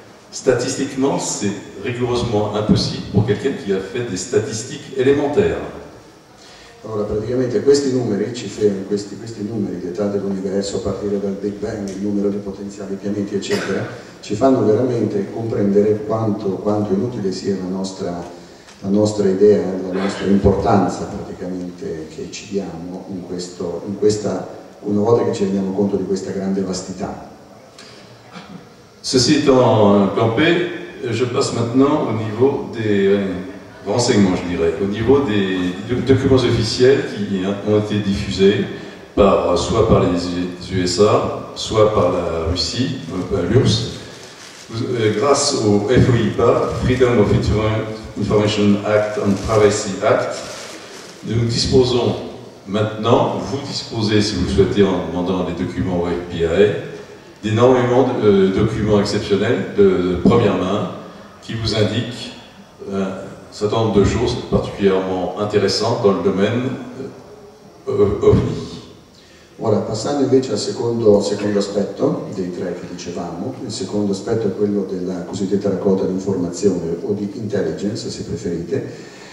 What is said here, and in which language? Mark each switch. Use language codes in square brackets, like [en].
[fr] Statistiquement, c'est rigoureusement impossible pour quelqu'un qui a fait des statistiques élémentaires. [it] Allora, praticamente, questi numeri ci fermano, questi numeri, l'età dell'universo a partire dal Big Bang, il numero di potenziali pianeti, eccetera, ci fanno veramente comprendere quanto inutile sia la nostra idea, la nostra importanza praticamente che ci diamo in questa una volta che ci rendiamo conto di questa grande vastità. [fr] Ceci étant campé, je passe maintenant au niveau des renseignements, je dirais, au niveau des documents officiels qui ont été diffusés soit par les USA, soit par la Russie, l'URSS. Grâce au FOIPA, Freedom of Information Act and Privacy Act, nous disposons maintenant, vous disposez si vous le souhaitez en demandant les documents au FBI, d'énormément de documents exceptionnels de première main qui vous indiquent un certain nombre de choses particulièrement intéressantes dans le domaine OVNI. [it] Ora, passando invece al secondo aspetto dei tre che dicevamo, il secondo aspetto è quello della cosiddetta raccolta di informazione o di intelligence, se preferite.